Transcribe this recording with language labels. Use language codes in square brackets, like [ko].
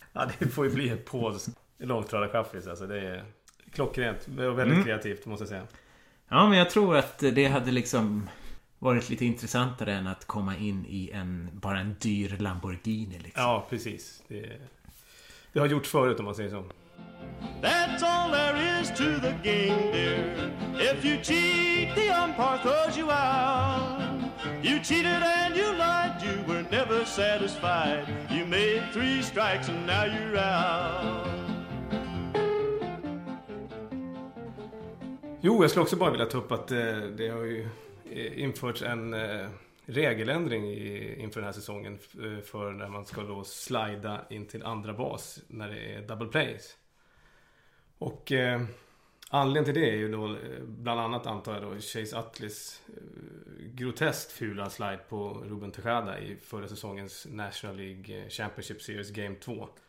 [sv] Ja, det får ju bli ett polsk långtradarchaffis. Alltså, det är klockrent och väldigt kreativt, måste jag säga. Ja, men jag tror att det hade liksom varit lite intressantare än att komma in i en bara en dyr Lamborghini. Liksom. Ja, precis. Det har gjort förut, om man säger så. [en] That's all there is to the game, dear. If you cheat, the umpire throws you out. You cheated and you lied, you were never satisfied. You made three strikes and now you're out. [sv] Jo, jag skulle också bara vilja ta upp att det har ju införts en regeländring inför den här säsongen för när man ska då slida in till andra bas när det är double plays. Och anledningen till det är ju då bland annat, antar jag då, Chase Utleys groteskt fula slide på Ruben Tejada i förra säsongens National League Championship Series Game 2.